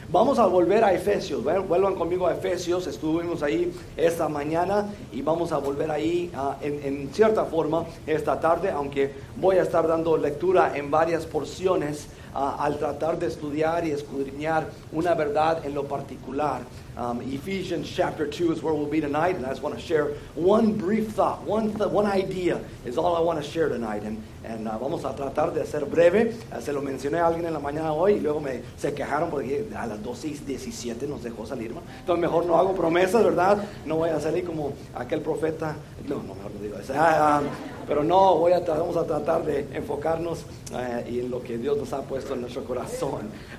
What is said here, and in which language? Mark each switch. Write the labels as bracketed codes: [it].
[es] Vamos a volver a Efesios. Bueno, vuelvan conmigo a Efesios. Estuvimos ahí esta mañana y vamos a volver ahí en cierta forma esta tarde, aunque voy a estar dando lectura en varias porciones al tratar de estudiar y escudriñar una verdad en lo particular. [en] Ephesians chapter 2 is where we'll be tonight, and I just want to share one brief thought, one idea is all I want to share tonight. [es] And vamos a tratar de hacer breve. Se lo mencioné a alguien en la mañana hoy y luego se quejaron porque a las 12:17 nos dejó salir, ¿no? Entonces mejor no hago promesas, ¿verdad? No voy a salir como aquel profeta. No, mejor no digo eso. Pero no, vamos a tratar de enfocarnos en lo que Dios nos ha puesto en nuestro corazón.